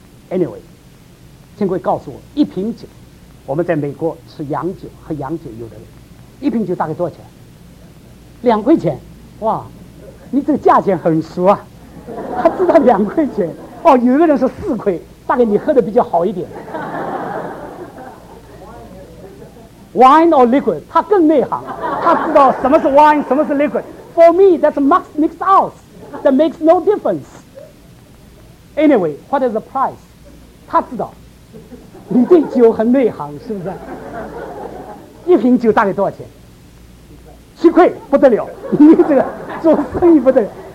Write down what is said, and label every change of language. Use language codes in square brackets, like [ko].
[zh] anyway， 请各位告诉我，一瓶酒，我们在美国吃洋酒喝洋酒，有的人一瓶酒大概多少钱？2块钱。哇，你这个价钱很熟啊，他知道2块钱。哦，有一个人是4块，大概你喝的比较好一点。 [en] Wine or liquid， [zh] 他更内行，他知道什么是 wine， 什么是 liquid。 [en] For me， that's much mixed out， that makes no difference。 Anyway， what is the price？ [zh] 他知道，你对酒很内行，是不是？一瓶酒大概多少钱？7块，不得了，你这个做生意不得了。